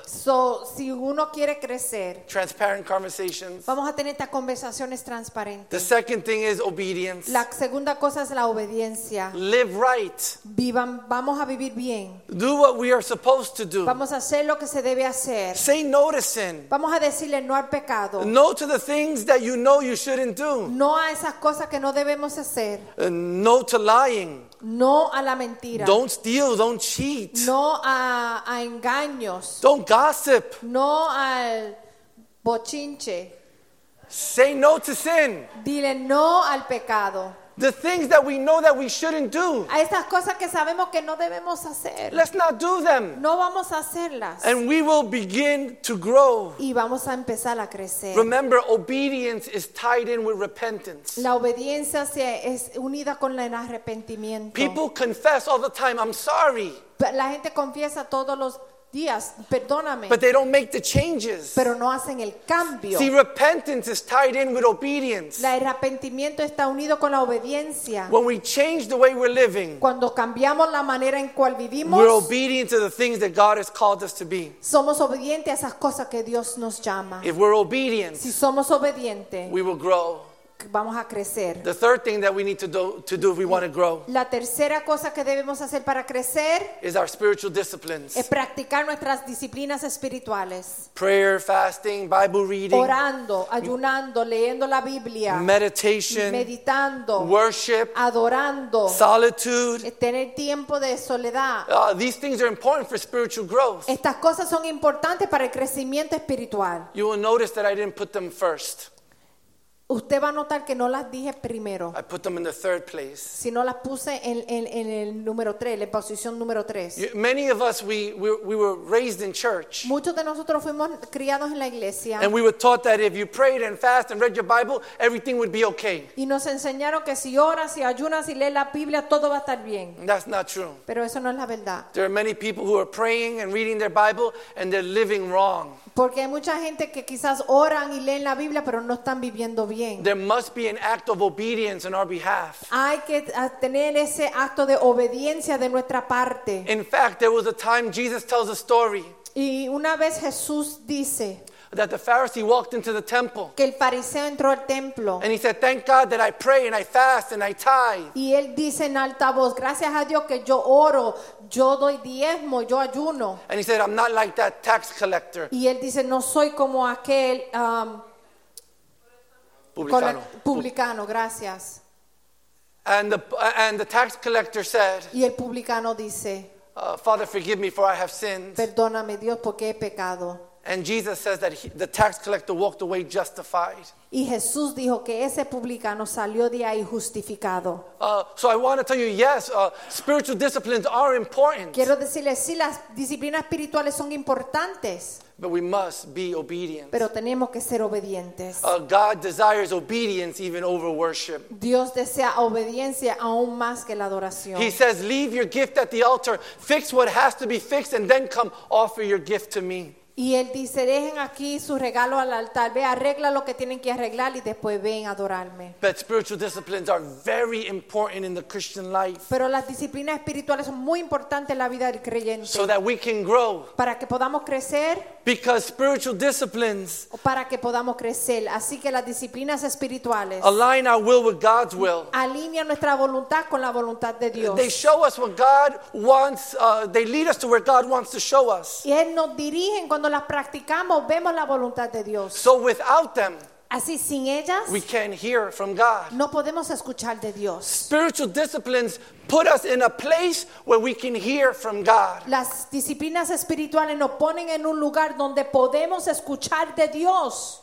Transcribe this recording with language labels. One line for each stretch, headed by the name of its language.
Spanish: So si uno quiere crecer.
English: Transparent conversations.
Spanish: Vamos a tener estas conversaciones transparentes.
English: The second thing is obedience.
Spanish: La segunda cosa es la obediencia.
English: Live right.
Spanish: Vivan, vamos a vivir bien.
English: Do what we are supposed to do.
Spanish: Vamos a hacer lo que se debe hacer.
English: Say no to sin.
Spanish: Vamos a decirle no al pecado.
English: No to the things that you know you shouldn't do.
Spanish: No a esas cosas que no debemos hacer.
English: No to lying.
Spanish: No a la mentira.
English: Don't steal, don't cheat.
Spanish: No a engaños.
English: Don't gossip.
Spanish: No al bochinche.
English: Say no to sin.
Spanish: Dile no al pecado.
English: The things that we know that we shouldn't do.
Spanish: A estas cosas que sabemos que no debemos hacer.
English: Let's not do them.
Spanish: No vamos a hacerlas.
English: And we will begin to grow.
Spanish: Y vamos a empezar a crecer.
English: Remember, obedience is tied in with repentance.
Spanish: La obediencia es unida con el arrepentimiento.
English: People confess all the time, I'm sorry.
Spanish: La gente confiesa todos los días, perdóname.
English: But they don't make the changes.
Spanish: Pero no hacen el cambio.
English: See, repentance is tied in with obedience.
Spanish: El arrepentimiento está unido con la obediencia.
English: When we change the way we're living,
Spanish: cuando cambiamos la manera en cual vivimos,
English: we're obedient to the things that God has called us to be.
Spanish: Somos obedientes a esas cosas que Dios nos llama.
English: If we're obedient,
Spanish: si somos obedientes,
English: we will grow.
Spanish: Vamos a crecer.
English: The third thing that we need to do if we want to grow.
Spanish: La tercera cosa que debemos hacer para crecer
English: is our spiritual disciplines.
Spanish: Es practicar nuestras disciplinas espirituales.
English: Prayer, fasting, Bible reading.
Spanish: Orando, ayunando, leyendo la Biblia.
English: Meditation.
Spanish: Meditando.
English: Worship.
Spanish: Adorando.
English: Solitude.
Spanish: Tener tiempo de soledad.
English: These things are important for spiritual growth.
Spanish: Estas cosas son importantes para el crecimiento espiritual.
English: You will notice that I didn't put them first.
Spanish: Usted va a notar que no las dije primero.
English: I put them in the third place.
Spanish: Si no las puse en el número 3, en la posición número 3.
English: Many of us we were raised in church.
Spanish: Muchos de nosotros fuimos criados en la iglesia.
English: And we were taught that if you prayed and fast and read your Bible, everything would be okay.
Spanish: Y nos enseñaron que si oras y ayunas y lees la Biblia, todo va a estar bien.
English: That's not true.
Spanish: Pero eso no es la verdad.
English: There are many people who are praying and reading their Bible and they're living wrong.
Spanish: Porque hay mucha gente que quizás oran y leen la Biblia, pero no están viviendo bien.
English: There must be an act of obedience on our behalf.
Spanish: Hay que tener ese acto de obediencia de nuestra parte.
English: In fact, there was a time Jesus tells a story.
Spanish: Y una vez Jesús dice
English: that the Pharisee walked into the temple.
Spanish: Que el fariseo entró al templo.
English: And he said, "Thank God that I pray and I fast and I tithe."
Spanish: Y él dice en alta voz, "Gracias a Dios que yo oro, yo doy diezmo, yo ayuno."
English: And he said, "I'm not like that tax collector."
Spanish: Y él dice, "No soy como aquel publicano, gracias."
English: And the tax collector said,
Spanish: y el publicano dice,
English: "Father, forgive me for I have sinned."
Spanish: Perdóname, Dios, porque he pecado.
English: And Jesus says that the tax collector walked away justified.
Spanish: Y Jesús dijo que ese publicano salió de ahí justificado.
English: So I want to tell you, yes, spiritual disciplines are important.
Spanish: Quiero decirles, sí, las disciplinas espirituales son importantes.
English: But we must be obedient.
Spanish: Pero tenemos que ser obedientes.
English: God desires obedience even over worship.
Spanish: Dios desea obediencia aún más que la adoración.
English: He says, "Leave your gift at the altar. Fix what has to be fixed, and then come offer your gift to me."
Spanish: Y él dice, dejen aquí su regalo al altar. Ve, arregla lo que tienen que arreglar y después ven a adorarme.
English: But spiritual disciplines are very important in the Christian life.
Spanish: Pero las disciplinas espirituales son muy importantes en la vida del creyente.
English: So that we can grow.
Spanish: Para que podamos crecer.
English: Because spiritual disciplines.
Spanish: Para que podamos crecer. Así que las disciplinas espirituales.
English: Align our will with God's will.
Spanish: Alinean nuestra voluntad con la voluntad de Dios.
English: They show us what God wants. They lead us to where God wants to show us.
Spanish: Y él nos dirige cuando cuando las practicamos vemos la voluntad de Dios.
English: So without them,
Spanish: así sin ellas,
English: we can't hear from God.
Spanish: No podemos escuchar de Dios.
English: Spiritual disciplines put us in a place where we can hear from God.
Spanish: Las disciplinas espirituales nos ponen en un lugar donde podemos escuchar de Dios.